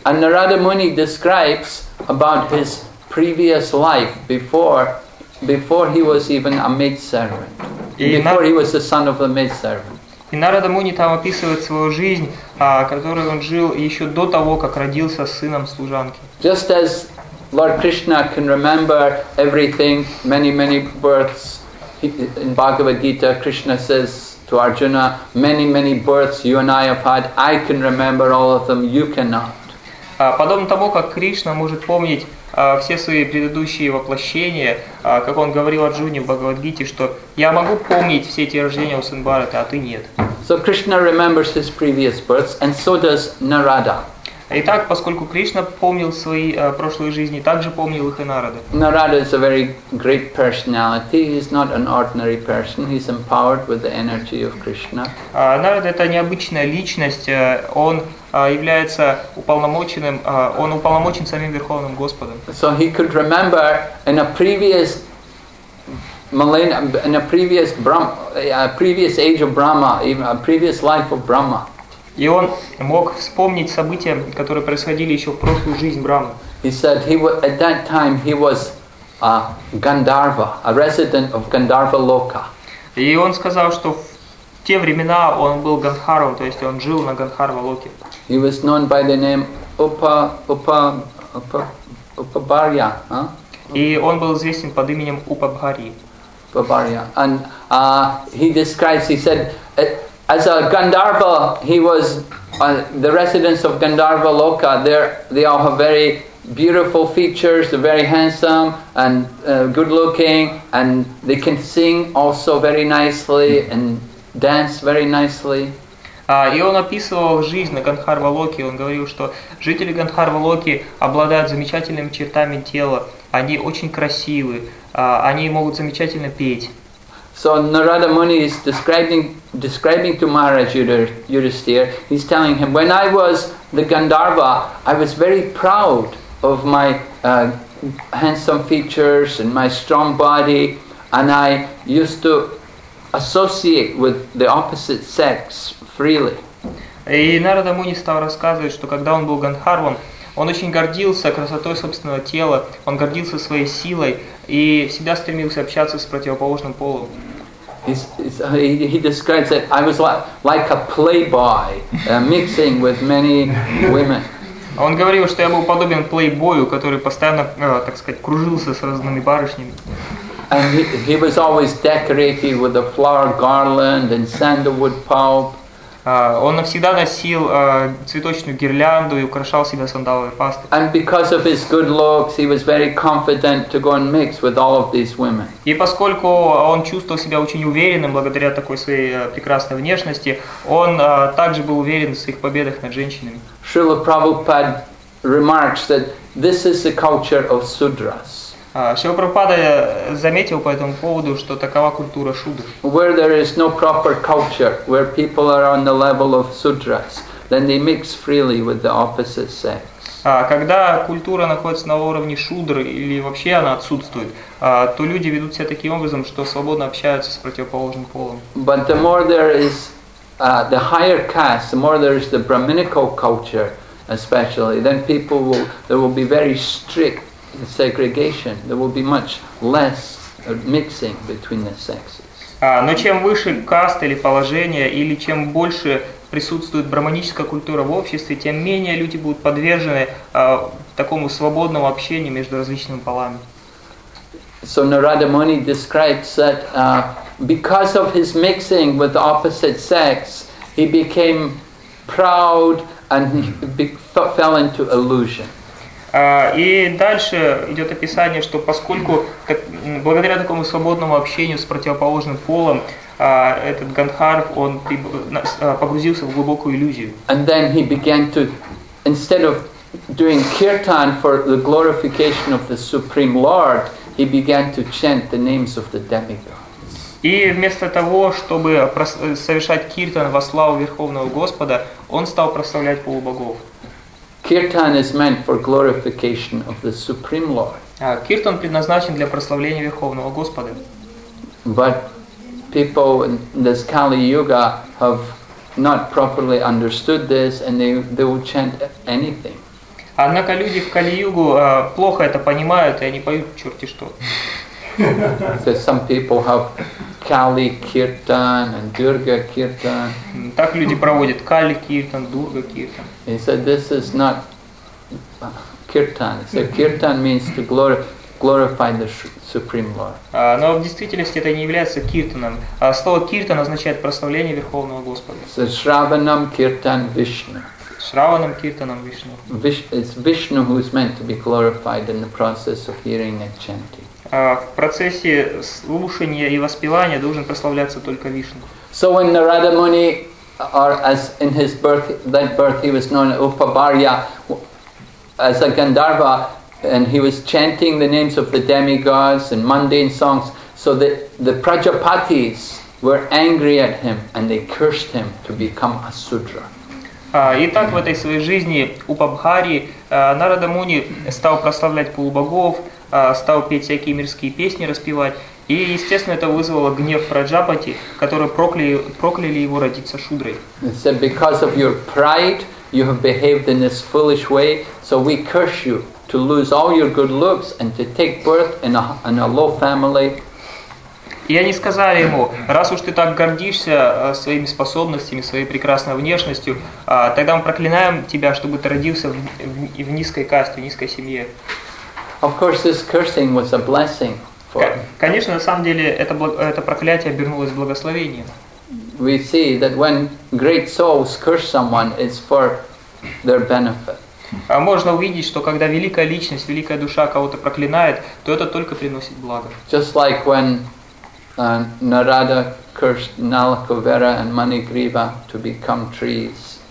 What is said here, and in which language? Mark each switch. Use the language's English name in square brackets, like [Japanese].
[English] And Narada Muni describes about his previous life before he was even a maid servant, before he was the son of a maid servant. [Russian] И Нарада Муни там описывает свою жизнь, которую он жил еще до того, как родился сыном служанки. [English] Just as Lord Krishna can remember everything, many births, in Bhagavad Gita, Krishna says to Arjuna, many births you and I have had, I can remember all of them, you cannot. [Russian] Подобно тому, как Кришна может помнить все свои предыдущие воплощения, как он говорил Арджуне в Бхагавад-гите, что я могу помнить все эти рождения у сын Бхарата, а ты нет. [English] So Krishna remembers his previous births, and so does Narada. [Russian] Итак, поскольку Кришна помнил свои прошлые жизни, также помнил их и Нарада. [English] Narada is a very great personality. He's not an ordinary person. He's empowered with the energy of Krishna. [Russian] Нарада это необычная личность. Он является уполномоченным. Он уполномочен самим Верховным Господом. [English] So he could remember in a previous Malena, in a previous Brahma, a previous age of Brahma, even a previous life of Brahma. [Russian] И он мог вспомнить события, которые происходили еще в прошлую жизнь Брахмы. [English] He said he was, at that time he was a Gandharva, a resident of Gandharva Loka. [Russian] И он сказал, что в те времена он был Гандхаром, то есть он жил на Гандхарва Локе. [English] He was known by the name Upabharya. [Russian] И он был известен под именем Упабхари. [English] Upabharya. And he describes, he said, as a Gandharva, he was the residents of Gandharva Loka. They all have very beautiful features, they're very handsome and good looking, and they can sing also very nicely and dance very nicely. [Russian] И он описывал жизнь на Гандхарва Локе. Он говорил, что жители Гандхарва Локи обладают замечательными чертами тела. Они очень красивы. Они могут замечательно петь. [English] So Narada Muni is describing to Maharaj Yudhisthira, he's telling him, when I was the Gandharva, I was very proud of my handsome features and my strong body, and I used to associate with the opposite sex freely. [Russian] И Нарада Муни стал рассказывать, что когда он был Гандхарвом, он очень гордился красотой собственного тела, он гордился своей силой и всегда стремился общаться с противоположным полом. [English] He describes that I was like a playboy mixing with many women. [Russian] Он говорил, что я был подобен плейбою, который постоянно, так сказать, кружился с разными барышнями. [English] And he was always decorated with a flower garland and sandalwood pulp. [Russian] Он навсегда носил цветочную гирлянду и украшал себя сандаловой пастой. [English] And because of his good looks, he was very confident to go and mix with all of these women. [Russian] И поскольку он чувствовал себя очень уверенным благодаря такой своей прекрасной внешности, он также был уверен в своих победах над женщинами. [English] Srila Prabhupada remarks that this is the culture of Sudras. [Russian] Шрила Прабхупада заметил по этому поводу, что такова культура шудр. [English] Where there is no proper culture, where people are on the level of sudras, then they mix freely with the opposite sex. [Russian] Когда культура находится на уровне шудр или вообще она отсутствует, то люди ведут себя таким образом, что свободно общаются с противоположным полом. [English] But the more there is the higher caste, the more there is the brahminical culture, especially, then people will there will be very strict. Segregation. There will be much less mixing between the sexes. [Russian] Но чем выше каста или положение, или чем больше присутствует брахманическая культура в обществе, тем менее люди будут подвержены такому свободному общению между различными полами. [English] So Narada Muni describes that because of his mixing with the opposite sex, he became proud and fell into illusion. [Russian] И дальше идет описание, что поскольку так, благодаря такому свободному общению с противоположным полом этот Гандхарв он погрузился в глубокую иллюзию. [English] And then he began to, instead of doing kirtan for the glorification of the Supreme Lord, he began to chant the names of the demigods. [Russian] И вместо того, чтобы совершать киртан во славу Верховного Господа, он стал прославлять полубогов. [English] Kirtan is meant for glorification of the Supreme Lord. [Russian] Киртан предназначен для прославления Верховного Господа. [English] But people in this Kali Yuga have not properly understood this, and they will chant anything. [Russian] Однако люди в Кали-Югу плохо это понимают, и они поют черти что. [English] So some people have Kali Kirtan and Durga Kirtan. [Russian] Так люди проводят Kali Kirtan, Durga Kirtan. [English] He said this is not Kirtan. So Kirtan means to glorify the Supreme Lord. [Russian] Но в действительности это не является Киртаном. Слово Киртан означает прославление Верховного Господа. [Sanskrit] So Shravanam Kirtan Vishnu. Shravanam Kirtanam Vishnu. [English] It's Vishnu who is meant to be glorified in the process of hearing and chanting. [Russian] В процессе слушания и воспевания должен прославляться только Вишну. [English] So when Narada Muni or as in his birth, late birth, he was known as Upabharya, as a Gandharva, and he was chanting the names of the demigods and mundane songs, so that the Prajapatis were angry at him and they cursed him to become a Sudra. [Russian] Итак, в этой своей жизни Упабхари Нарада Муни стал прославлять полубогов, стал петь всякие мирские песни, распевать. И, естественно, это вызвало гнев Праджапати, которые прокляли его родиться шудрой. [English] It said, because of your pride, you have behaved in this foolish way, so we curse you to lose all your good looks and to take birth in a low family. [Russian] И они сказали ему, раз уж ты так гордишься своими способностями, своей прекрасной внешностью, тогда мы проклинаем тебя, чтобы ты родился в низкой касте, в низкой семье. [English] Of course, this cursing was a blessing for... [Russian] Конечно, на самом деле, это проклятие обернулось благословением. [English] We see that when great souls curse someone, it's for their benefit. [Russian] Можно увидеть, что когда великая личность, великая душа кого-то проклинает, то это только приносит благо. [English] Just like when Narada cursed Nalakovera and Manigriva to become trees.